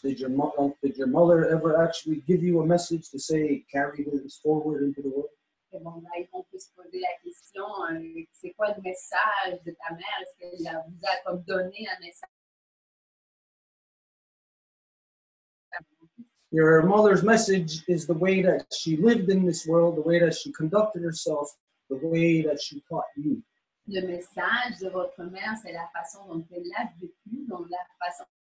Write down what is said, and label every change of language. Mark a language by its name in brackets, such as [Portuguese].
[English] Did your mother ever actually give you a message to say, carry this forward into the world? [French] Bon, là, on peut se poser la question, c'est quoi le message de ta mère? Est-ce qu'elle vous a comme donné un message? [English] Your mother's message is the way that she lived in this world, the way that she conducted herself, the way that she taught you. [French] Le message de votre mère, c'est la façon dont elle a vécu, dont la façon...